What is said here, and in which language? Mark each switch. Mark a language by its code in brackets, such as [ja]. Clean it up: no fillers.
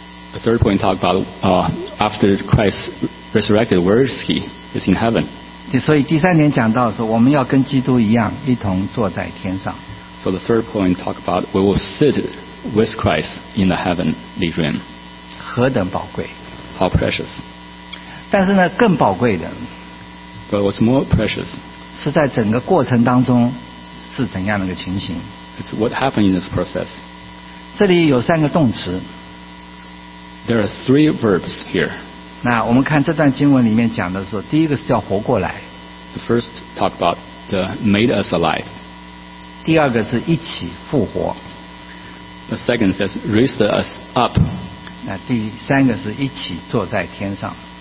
[en] The third point talk about after Christ resurrected, where is he? He's in heaven. [zh] 所以第三点讲到是我们要跟基督一样一同坐在天上。 [en] So the third point talk about we will sit with Christ in the heavenly realm. [zh] 何等宝贵。 [en] How precious. [zh] 但是呢更宝贵的 [en] But what's more precious? [zh] 是在整个过程当中是怎样的一个情形。 [en] It's what happened in this process. [zh] 这里有三个动词。 [en] There are three verbs here. [zh] 那我们看这段经文里面讲的是第一个是叫活过来。 [en] The first talk about the made us alive. [zh] 第二个是一起复活。 [en] The second says raised us up. [zh] 那第三个是一起坐在天上。